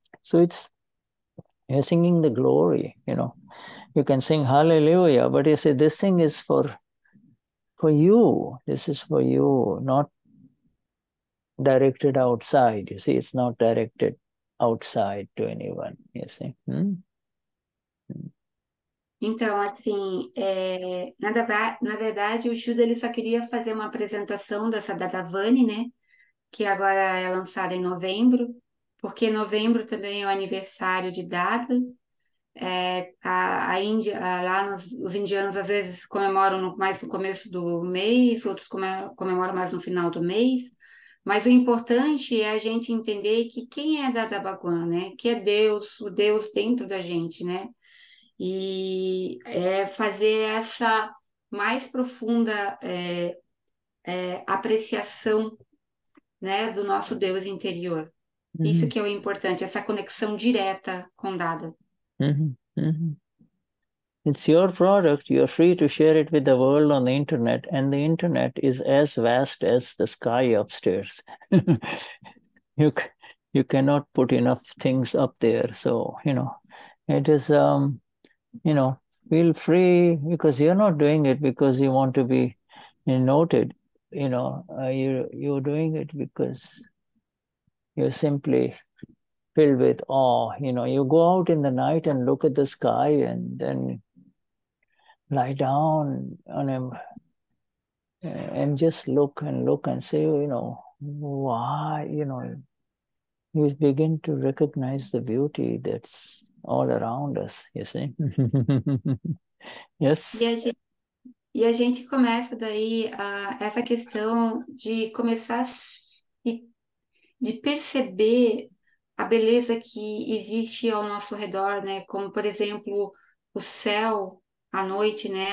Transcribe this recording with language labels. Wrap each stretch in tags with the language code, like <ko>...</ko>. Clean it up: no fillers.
<en>So it's, you're singing the glory, you know. You can sing hallelujah, but you say this thing is for you. This is for you, not directed outside. You see, it's not directed outside to anyone, you see.</en> <pt>Então, assim, na verdade, o Shuddha ele só queria fazer uma apresentação dessa Dadavani, né? Que agora é lançada em novembro, porque novembro também é o aniversário de Dada. A Índia, lá os indianos às vezes comemoram mais no começo do mês, outros comemoram mais no final do mês. Mas o importante é a gente entender que quem é Dada Bhagwan, né? Que é Deus, o Deus dentro da gente, né? E fazer essa mais profunda apreciação, né, do nosso Deus interior. Isso que é o importante, essa conexão direta com Dada.</pt> <en>It's your product. You're free to share it with the world on the internet, and the internet is as vast as the sky upstairs. You cannot put enough things up there. So, you know, it is, you know, feel free, because you're not doing it because you want to be noted. You know, you're doing it because you're simply filled with awe. You know, you go out in the night and look at the sky and then lie down on him and just look and look and say, you know, why, you know, you begin to recognize the beauty that's all around us, you see? Yes?</en> <pt>E a gente começa daí essa questão de começar de perceber a beleza que existe ao nosso redor, né? Como, por exemplo, o céu à noite, né?</pt>